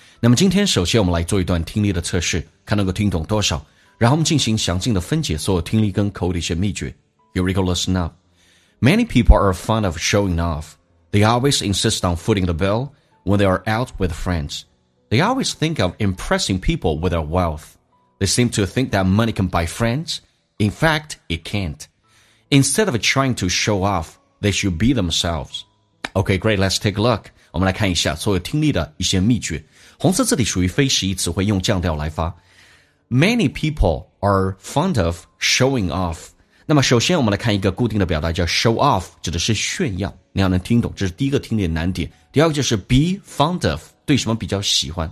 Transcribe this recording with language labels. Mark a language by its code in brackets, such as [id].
[zh] 那么今天首先我们来做一段听力的测试，看能够听懂多少，然后我们进行详尽的分解所有听力跟口的一些秘诀。 [en] Here we go, listen up. Many people are fond of showing off. They always insist on footing the bill when they are out with friends. They always think of impressing people with their wealth. They seem to think that money can buy friends. In fact, it can'tInstead of trying to show off, they should be themselves. Okay, great, let's take a look. [zh] 我们来看一下所有听力的一些秘诀。红色字体属于非实义词汇，用降调来发。 [en] Many people are fond of showing off. [zh] 那么首先我们来看一个固定的表达叫 show off, 指的是炫耀。你要能听懂，这是第一个听力的难点。第二个就是 be fond of, 对什么比较喜欢。